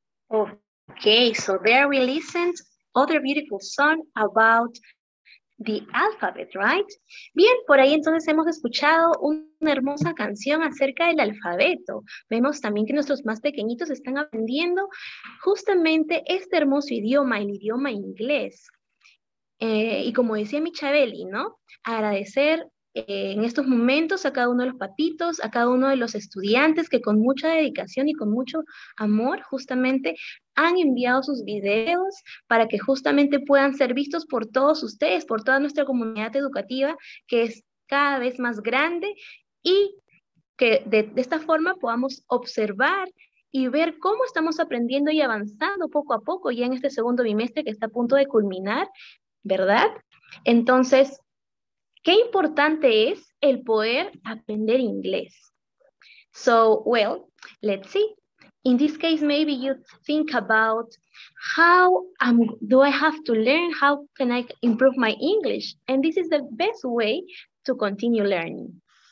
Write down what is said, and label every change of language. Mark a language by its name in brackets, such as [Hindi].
[English] Okay, so there we listened other beautiful song about the alphabet, right? [Spanish] Bien, por ahí entonces hemos escuchado una hermosa canción acerca del alfabeto. Vemos también que nuestros más pequeñitos están aprendiendo justamente este hermoso idioma, el idioma inglés. Y como decía Michabeli, ¿no? Agradecer en estos momentos a cada uno de los papitos, a cada uno de los estudiantes que con mucha dedicación y con mucho amor justamente han enviado sus videos para que justamente puedan ser vistos por todos ustedes, por toda nuestra comunidad educativa que es cada vez más grande y que de esta forma podamos observar y ver cómo estamos aprendiendo y avanzando poco a poco ya en este segundo bimestre que está a punto de culminar, ¿verdad? Entonces, ¿qué importante es el poder aprender inglés? [English] So, well, let's see. In this case, maybe you think about how do I have to learn? How can I improve my English? And this is the best way to continue learning.